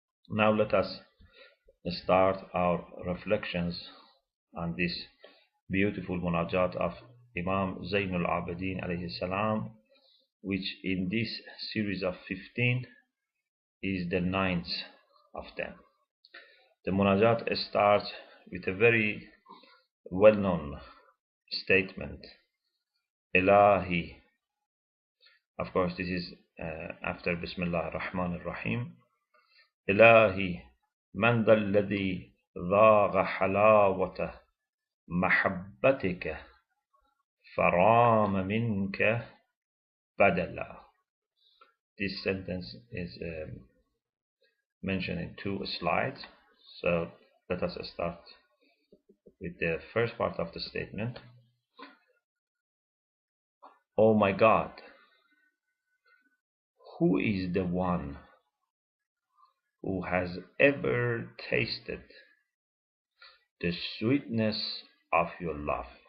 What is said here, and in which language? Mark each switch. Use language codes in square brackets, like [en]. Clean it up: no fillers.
[en] Now let us start our reflections on this beautiful munajat of Imam Zainul Abidin alayhi salam, which in this series of 15 is the 9th of them. The munajat starts with a very well-known statement, Ilahi. Of course, this is after Bismillah ar-Rahman ar-Rahim. [ar] إلهي من ذا الذي ذاق حلاوة محبتك فرام منك بدلا. [en] This sentence is mentioned in two slides. So let us start with the first part of the statement. Oh my God, who is the one who has ever tasted the sweetness of your love?